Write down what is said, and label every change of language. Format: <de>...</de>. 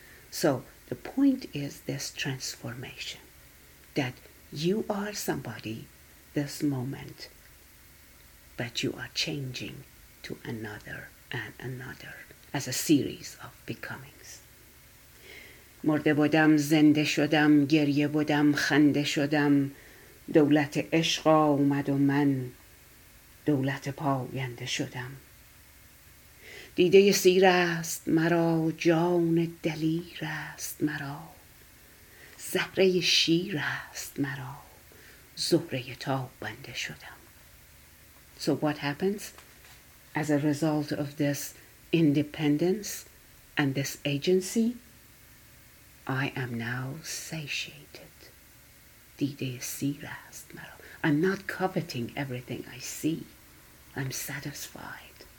<en>So the point is this transformation, that you are somebody this moment, but you are changing to another and another as a series of becomings.</en> <fa>مرده بودم، زنده شدم، گریه بودم، خنده شدم، دولت عشق آمد و من دولت پاینده شدم. دیده سیر است مرا، جان دلیر است مرا، زهره شیر است مرا، زهره تابنده شدم.</fa> <en>So what happens as a result of this independence and this agency? I am now satiated.</en> <fa>Dide sir ast mara.</fa> <en>I'm not coveting everything I see. I'm satisfied.</en>